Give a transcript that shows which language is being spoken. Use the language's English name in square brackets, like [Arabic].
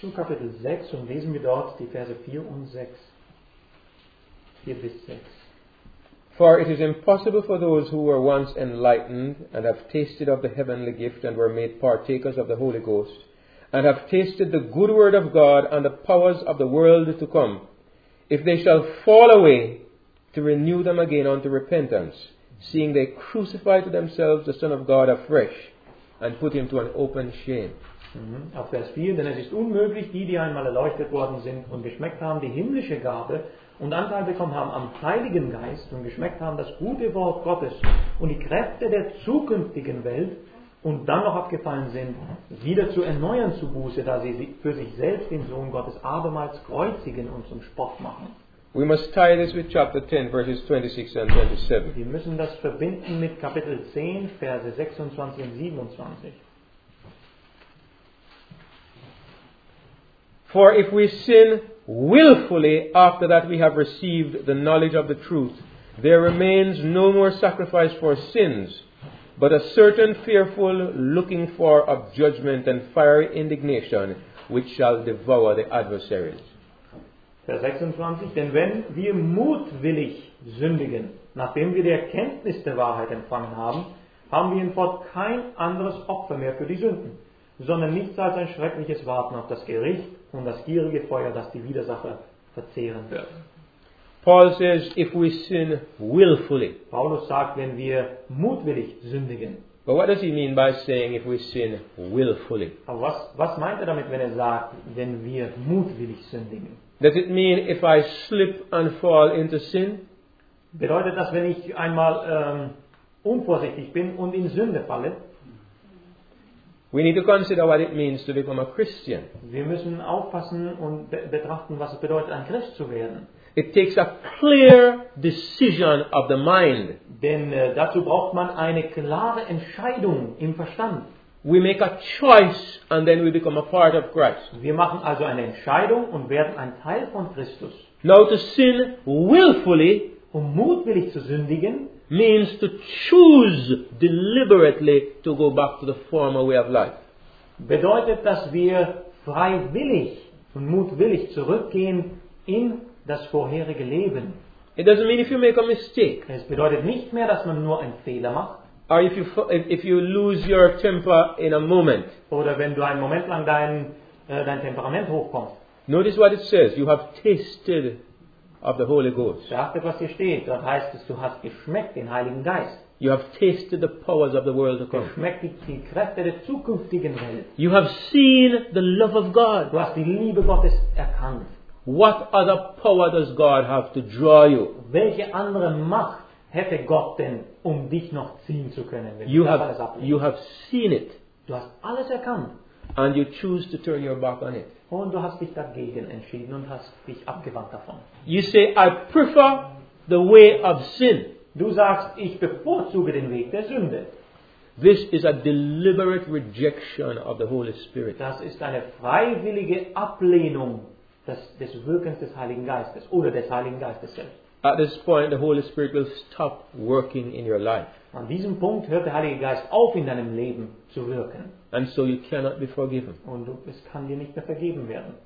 [German] Zum Kapitel 6 und lesen wir dort die Verse 4 und 6. 4 bis 6. [English] For it is impossible for those who were once enlightened and have tasted of the heavenly gift and were made partakers of the Holy Ghost and have tasted the good word of God and the powers of the world to come, if they shall fall away, to renew them again unto repentance, seeing they crucify to themselves the Son of God afresh and put him to an open shame. [German] Auf Vers 4, denn es ist unmöglich, die einmal erleuchtet worden sind und geschmeckt haben, die himmlische Gabe und Anteil bekommen haben am Heiligen Geist und geschmeckt haben das gute Wort Gottes und die Kräfte der zukünftigen Welt und dann noch abgefallen sind, wieder zu erneuern zu Buße, da sie für sich selbst den Sohn Gottes abermals kreuzigen und zum Spott machen. [English] We must tie this with chapter 10, verses 26 and 27. [German] Wir müssen das verbinden mit Kapitel 10, Verse 26 und 27. [English] For if we sin willfully after that we have received the knowledge of the truth, there remains no more sacrifice for sins, but a certain fearful looking for of judgment and fiery indignation which shall devour the adversaries. [German] Vers 26, denn wenn wir mutwillig sündigen, nachdem wir die Erkenntnis der Wahrheit empfangen haben, haben wir hinfort kein anderes Opfer mehr für die Sünden, sondern nichts als ein schreckliches Warten auf das Gericht und das gierige Feuer, das die Widersacher verzehren wird. [English] Paul says, if we sin willfully. [German] Paulus sagt, wenn wir mutwillig sündigen. [English] But what does he mean by saying if we sin willfully? [German] Aber was meint er damit, wenn er sagt, wenn wir mutwillig sündigen? [English] Does it mean if I slip and fall into sin? [German] Bedeutet das, wenn ich einmal unvorsichtig bin und in Sünde falle? [English] We need to consider what it means to become a Christian. [German] Wir müssen aufpassen und betrachten, was es bedeutet, ein Christ zu werden. [English] It takes a clear decision of the mind. [German] Denn dazu braucht man eine klare Entscheidung im Verstand. [English] We make a choice and then we become a part of Christ. [German] Wir machen also eine Entscheidung und werden ein Teil von Christus. [English] Now to sin willfully, [German] um mutwillig zu sündigen, [English] means to choose deliberately to go back to the former way of life. [German] Bedeutet, dass wir freiwillig und mutwillig zurückgehen in das vorherige Leben. [English] It doesn't mean if you make a mistake. [German] Es bedeutet nicht mehr, dass man nur einen Fehler macht. [English] Or if you lose your temper in a moment. [German] Oder wenn du einen Moment lang dein Temperament hochkommst. [English] Notice what it says. You have tasted of the Holy Ghost. [German] Beachtet, was hier steht. Dort heißt es, du hast geschmeckt den Heiligen Geist. [English] You have tasted the powers of the world to come. [German] Geschmeckt die Kräfte der zukünftigen Welt. [English] You have seen the love of God. [German] Du hast die Liebe Gottes erkannt. [English] What other power does God have to draw you? [German] Welche andere Macht hätte Gott denn, um dich noch ziehen zu können? Wenn [English] you have seen it. [German] Du hast alles erkannt. [English] And you choose to turn your back on it. [German] Und du hast dich dagegen entschieden und hast dich abgewandt davon. [English] You say, I prefer the way of sin. [German] Du sagst, ich bevorzuge den Weg der Sünde. [English] This is a deliberate rejection of the Holy Spirit. [German] Das ist eine freiwillige Ablehnung des Wirkens des Heiligen Geistes oder des Heiligen Geistes selbst. [English] At this point, the Holy Spirit will stop working in your life. [German] An diesem Punkt hört der Heilige Geist auf, in deinem Leben zu wirken. [English] And so you cannot be forgiven. [German] Und es kann dir nicht mehr vergeben werden.